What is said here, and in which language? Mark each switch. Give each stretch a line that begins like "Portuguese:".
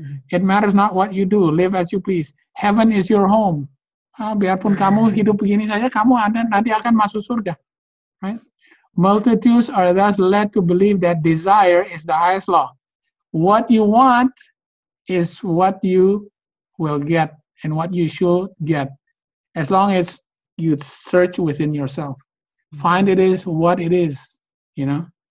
English: It matters not what you do, live as you please. Heaven is your home.
Indonesian: Ah, biarpun kamu hidup begini saja, kamu ada nanti akan masuk surga.
English: Right? Multitudes are thus led to believe that desire is the highest law. What you want is what you will get and what you should get, as long as you search within yourself. Find it is what it is, you know.